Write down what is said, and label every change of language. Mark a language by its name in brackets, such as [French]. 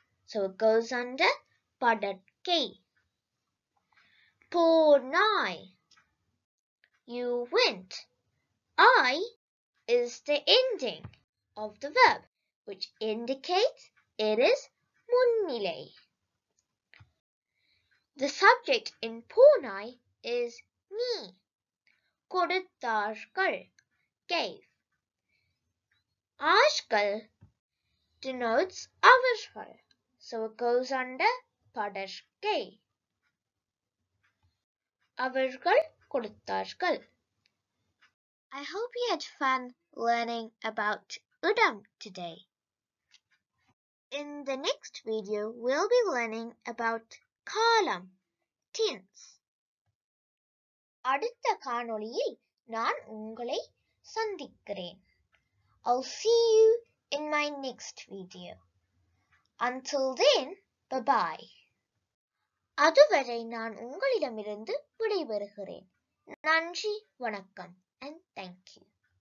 [English] So it goes under படற்கை. போனாய். You went. I is the ending of the verb, which indicates it is முன்னிலை. The subject in போனாய் is நீ. [Tamil] கொடுத்தார்கள் gave. ஆஷ்கள் denotes அவர்கள். [English] So it goes under படற்கை. அவர்கள் கொடுத்தார்கள். I hope you had fun learning about இடம் today. In the next video, we'll be learning about காலம், tense. [Tamil] அடுத்த காணொளியில் நான் உங்களை சந்திக்கிறேன். [English] I'll see you in my next video. Until then, bye-bye. [Tamil] அதுவரை நான் உங்களிடமிருந்து விடைபெறுகிறேன். நன்றி, வணக்கம் and thank you.